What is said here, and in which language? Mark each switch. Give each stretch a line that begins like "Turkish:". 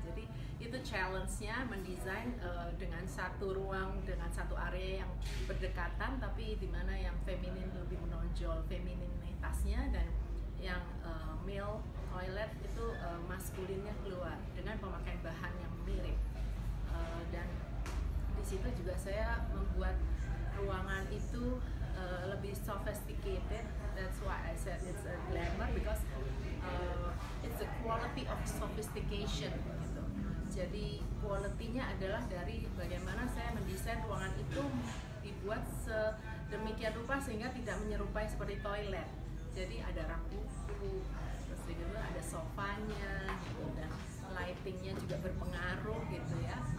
Indonesian: Jadi itu challenge-nya mendesain dengan satu ruang, dengan satu area yang berdekatan, tapi di mana yang feminin lebih menonjol femininitasnya, dan yang male toilet itu maskulinnya keluar dengan pemakaian bahan yang mirip. Dan di situ juga saya membuat ruangan itu lebih sophisticated.
English: That's why I said it's a glamour, because it's a quality of sophistication gitu.
Indonesian: Jadi quality-nya adalah dari bagaimana saya mendesain ruangan itu dibuat sedemikian rupa sehingga tidak menyerupai seperti toilet. Jadi ada rak buku, terus juga ada sofanya gitu, dan lighting-nya juga berpengaruh gitu ya.